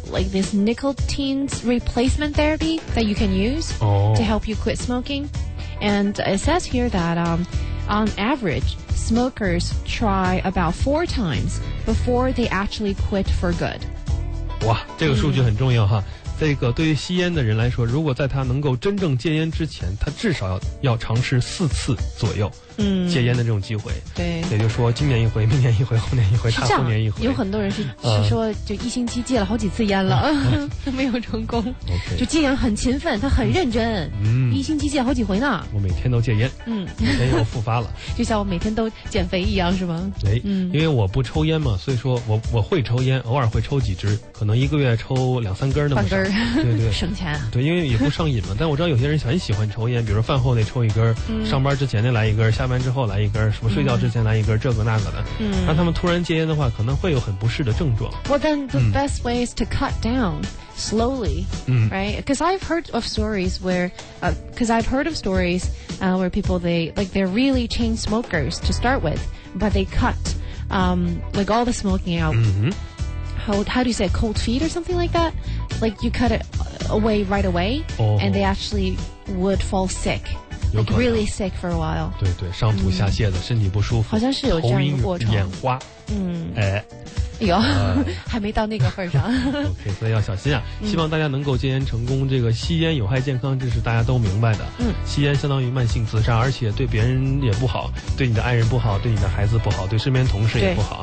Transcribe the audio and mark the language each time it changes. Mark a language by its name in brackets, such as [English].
[English] Like this nicotine replacement therapy that you can use to help you quit smoking. And it says here that on average, smokers try about 4 times before they actually quit for good. [Chinese] 哇，这个数据很重要哈。这个对于吸烟的人来说，如果在他能够真正戒烟之前，他至少要尝试4次左右戒烟的这种机会。对，也就是说今年一回，明年一回，后年一回，大后年一回。有很多人是说就一星期戒了好几次烟了，没有成功。 [English] Okay. [Chinese] 就竟然很勤奋，他很认真，一星期戒好几回呢。我每天都戒烟，每天又复发了。就像我每天都减肥一样，是吗？哎，因为我不抽烟嘛，所以说我会抽烟，偶尔会抽几支，可能一个月抽2-3根那么少。对对，省钱啊。对，因为也不上瘾嘛。但我知道有些人很喜欢抽烟，比如说饭后得抽一根，上班之前得来一根，下班之后来一根，什么睡觉之前来一根，这个那个的。让他们突然戒烟的话，可能会有很不适的症状。 [English] Well, then the best way is to cut down slowly, right? Because I've heard of stories where, where people they're really chain smokers to start with, but they cut like all the smoking out. How do you say it? Cold feet or something like that? Like, you cut it away right away, and they actually would fall sick [Chinese] 有可能 [English] really sick for a while. [Chinese] 对对，上吐下泻的，身体不舒服，好像是有这样的过程，眼花。嗯，哎。有，还没到那个份上。 OK， 所以要小心啊！希望大家能够戒烟成功。这个吸烟有害健康，这是大家都明白的。嗯，吸烟相当于慢性自杀，而且对别人也不好，对你的爱人不好，对你的孩子不好，对身边同事也不好。